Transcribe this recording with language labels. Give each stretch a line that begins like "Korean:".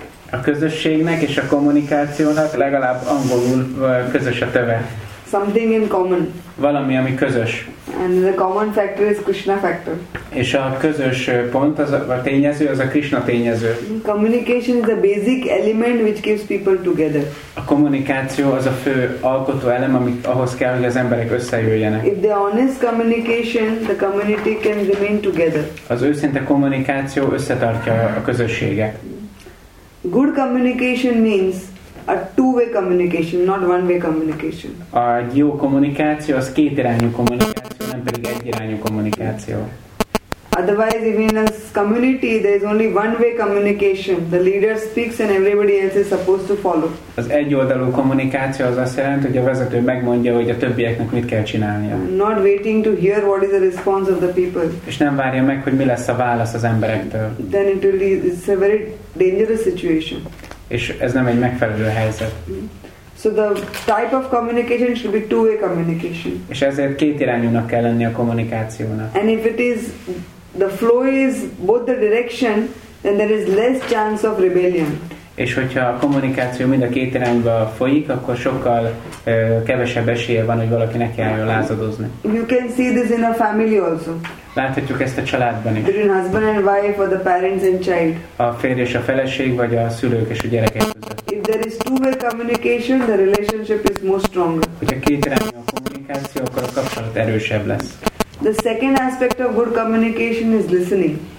Hungarian: A közösségnek és a kommunikációnak legalább angolul közös a töve.
English: Something in common.
Hungarian: Valami, ami közös.
English: And the common factor is Krishna factor.
Hungarian: És a közös pont, a tényező, az a Krishna tényező.
English: Communication is a basic element which keeps people together.
Hungarian: A kommunikáció az a fő alkotó elem, amit ahhoz kell, hogy az emberek összejöjjenek.
English: If the honest communication, the community can remain together.
Hungarian: Az őszinte kommunikáció összetartja a közösséget.
English: Good communication means a two-way communication, not one-way communication.
Hungarian: A jó kommunikáció az kétirányú kommunikáció, nem pedig egyirányú kommunikáció.
English: Otherwise, even in a community, there is only one-way communication. The leader speaks and everybody else is supposed to follow.
Hungarian: Az egyoldalú kommunikáció az azt jelenti, hogy a vezető megmondja, hogy a többieknek mit kell csinálnia.
English: Not waiting to hear what is the response of the people.
Hungarian: És nem várja meg, hogy mi lesz a válasz az emberektől.
English: Then it will be a very dangerous situation.
Hungarian: És ez nem egy megfelelő helyzet.
English: So the type of communication should be two-way communication.
Hungarian: És ezért kétirányúnak kell lenni a kommunikációnak.
English: And if it is, the flow is both the direction, then there is less chance of rebellion.
Hungarian: És hogyha a kommunikáció mind a két irányba folyik, akkor sokkal kevesebb esélye van, hogy valaki neki álljon lázadozni.
English: You can see this in a family also.
Hungarian: Láthatjuk ezt a családban is.
English: Between husband and wife or the parents and child.
Hungarian: A férj és a feleség, vagy a szülők és a gyerekek között.
English: If there is two-way communication, the relationship is more stronger.
Hungarian: Hogyha két irányú a kommunikáció, akkor a kapcsolat erősebb lesz.
English: The second aspect of good communication is listening.